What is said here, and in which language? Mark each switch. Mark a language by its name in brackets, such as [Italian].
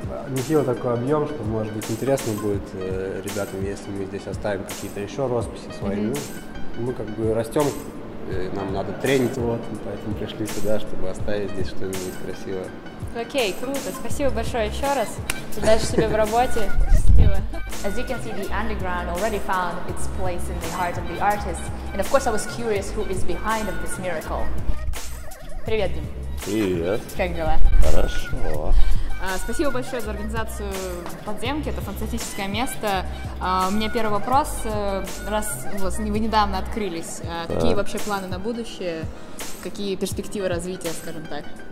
[Russian] Нехило такой объем, что, может быть, интересно будет ребятам, если мы здесь оставим какие-то еще росписи свои. Мы как бы растем, нам надо тренить, вот, поэтому пришли сюда, чтобы оставить здесь что-нибудь красивое. Окей, круто. Спасибо большое еще раз. Удачи тебе в работе. Счастливо. [English] As you can see, the underground already found its place in the heart of the artist. And of course, I was curious who is behind of this miracle. [Russian] Привет, Дим. Привет. Как дела? Хорошо. Спасибо большое за организацию подземки, это фантастическое место. У меня первый вопрос, раз вот, вы недавно открылись, какие вообще планы на будущее, какие перспективы развития, скажем так?